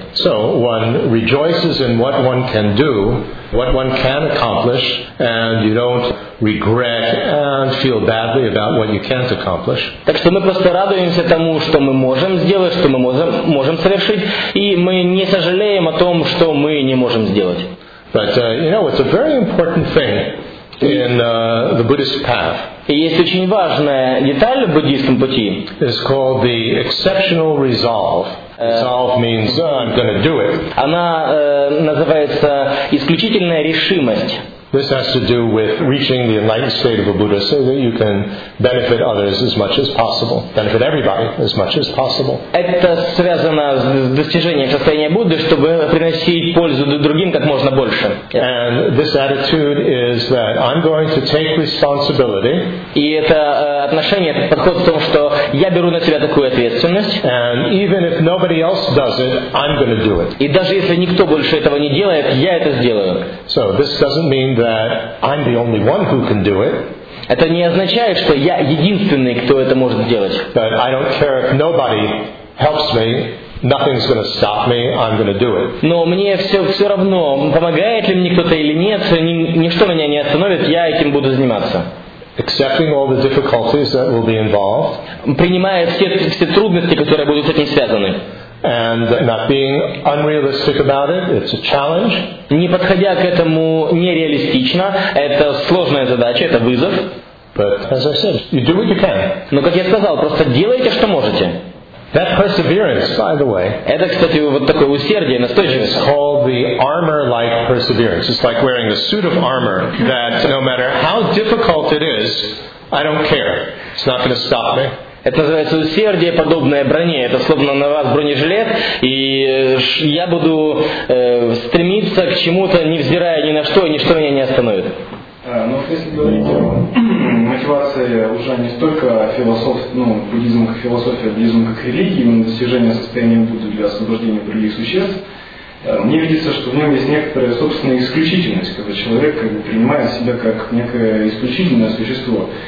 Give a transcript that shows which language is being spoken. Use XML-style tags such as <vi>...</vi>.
<en>So one rejoices in what one can do, what one can accomplish, and you don't regret and feel badly about what you can't accomplish.</en> <ru>Так что мы просто радуемся тому, что мы можем сделать, что мы можем совершить, и мы не сожалеем о том, что мы не можем сделать.</ru> <en>But you know, it's a very important thing in the Buddhist path.</en> <ru>И есть очень важная деталь в буддийском пути.</ru> <en>It's called the exceptional resolve. Resolve means I'm going to do it.</en> <ru>Она называется исключительная решимость.</ru> <en>This has to do with reaching the enlightened state of a Buddha so that you can benefit others as much as possible, benefit everybody as much as possible.</en> <ru>Это связано с достижением состояния Будды, чтобы приносить пользу другим как можно больше.</ru> <en>And this attitude is that I'm going to take responsibility.</en> <ru>И это отношение, это подход в том, что я беру на себя такую ответственность.</ru> <en>And even if nobody else does it, I'm going to do it.</en> <ru>И даже если никто больше этого не делает, я это сделаю.</ru> <en>So this doesn't mean that I'm the only one who can do it.</en> <ru>Это не означает, что я единственный, кто это может сделать.</ru> <en>But I don't care if nobody helps me. Nothing's going to stop me. I'm going to do it.</en> <ru>Но мне все равно, помогает ли мне кто-то или нет, ничто меня не остановит, я этим буду заниматься.</ru> <en>Accepting all the difficulties that will be involved.</en> <ru>Принимая все трудности, которые будут с этим связаны.</ru> <en>And not being unrealistic about it, it's a challenge.</en> <ru>Не подходя к этому нереалистично, это сложная задача, это вызов.</ru> <en>But as I said, you do what you can.</en> <ru>Но как я сказал, просто делайте, что можете.</ru> <en>That perseverance, by the way,</en> <ru>это, кстати, вот такое усердие, настойчивость.</ru> <en>It's called the armor-like perseverance. It's like wearing a suit of armor that no matter how difficult it is, I don't care. It's not going to stop me.</en> <ru>Это называется усердие, подобное броне. Это словно на вас бронежилет, и я буду стремиться к чему-то, невзирая ни на что, и ничто меня не остановит. Ну, если говорить о мотивации уже не столько буддизм как философия, а буддизм как религия, именно достижение состояния Будды для освобождения других существ, мне видится, что в нем есть некоторая собственная исключительность, когда человек как бы принимает себя как некое исключительное существо.</ru>